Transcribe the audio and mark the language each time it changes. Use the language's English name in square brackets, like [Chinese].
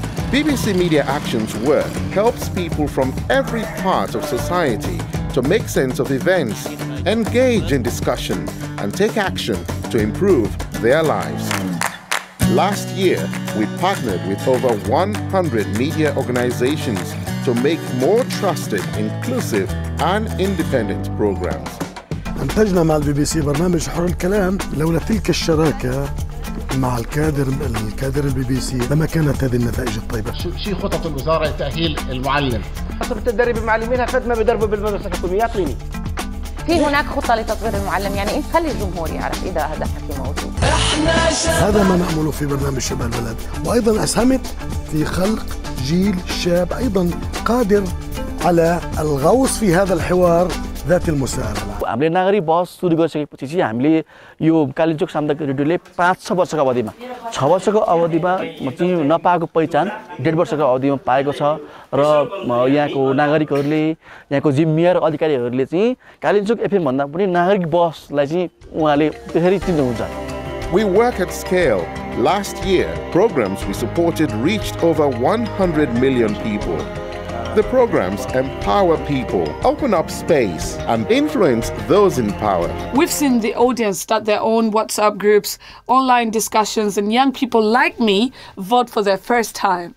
[English] BBC Media Action's work helps people from every part of society to make sense of events, engage in discussion, and take action to improve their lives. Last year, we partnered with over 100 media organizations to make more trusted, inclusive, and independent programs. [Arabic] أنتجنا مع BBC برنامج حر الكلام لولا تلك الشراكة مع الكادر البيبيسي لما كانت هذه النتائج الطيبة. شو خطط الوزارة لتأهيل المعلم؟ حسب تدريب المعلمين هفد ما بيدربوا بالمدرسة الحكومية يعطيني. في هناك خطة لتطوير المعلم، يعني خلي الجمهور يعرف إذا هذا حكي موجود. هذا ما نأمله في برنامج شباب البلد، وأيضا أسهمت في خلق جيل شاب أيضا قادر على الغوص في هذا الحوار ذات المساءلة. [Nepali] हामीले नागरिक बहस सुरु गरिसकेपछि चाहिँ हामीले यो कालिचोक सामुदायिक रेडियोले 5-6 वर्षको अवधिमा 6 वर्षको अवधिमा चाहिँ नपाएको पहिचान 1.5 वर्षको अवधिमा पाएको छ र यहाँको नागरिकहरूले यहाँको जिम्मेवार अधिकारीहरूले चाहिँ कालिचोक एफएम भन्दा पनि नागरिक बहसलाई चाहिँ उहाँले त्यसरी चिन्नुहुन्छ. [English] We work at scale. Last year, programs we supported reached over 100 million people. The programs empower people, open up space, and influence those in power. We've seen the audience start their own WhatsApp groups, online discussions, and young people like me vote for their first time.